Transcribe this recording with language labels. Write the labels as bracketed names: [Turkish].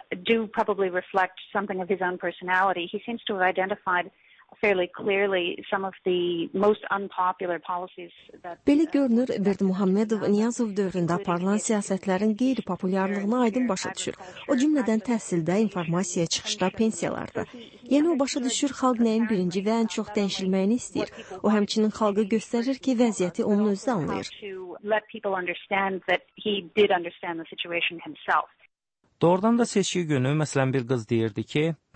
[English] Do probably reflect something of his own personality. He seems to have identified fairly clearly some of the most unpopular policies that [Azerbaijani] Belə görünür, Berdimuhamedov Niyazov dövründə aparılan siyasətlərin qeyri-populyarlığını aydın başa düşür. O cümlədən təhsildə, informasiya çıxışda, pensiyalarda. Yəni o başa düşür xalq nəyin birinci və ən çox dəyişilməyini istəyir. O həmçinin xalqı göstərir ki, vəziyyəti onun özü anlayır. [English] Let people understand that he did understand the situation himself. [Azerbaijani] Doğrudan da seçki günü, məsələn, bir qız deyirdi ki,